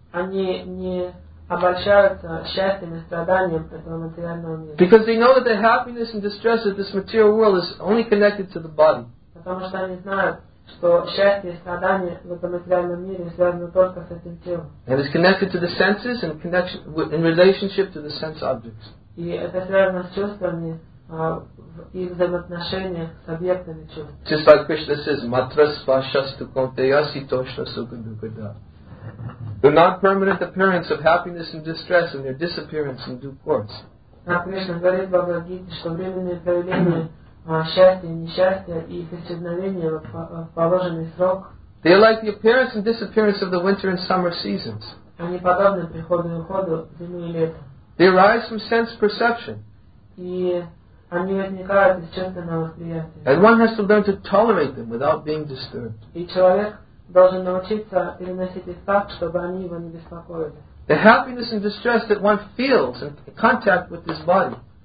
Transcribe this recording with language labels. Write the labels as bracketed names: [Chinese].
[English] Because they know that the happiness and distress of this material world is only connected to the body. And is connected to the senses and in relationship to the sense objects. [Russian] И это связано с чувствами и взаимоотношениях с объектами чувств. [English] Just like Krishna says, [Sanskrit] matras vashastu konteyasi toshna sukha dukada. [English] The non-permanent appearance of happiness and distress and their disappearance in due course. [Russian] Как Кришна говорит в Бхагавад Гите, что временное проявление счастья и несчастья и их исчезновение в положенный срок. [English] They are like the appearance and disappearance of the winter and summer seasons. They arise from sense perception. And one has to learn to tolerate them without being disturbed. The happiness and distress that one feels in contact with this body.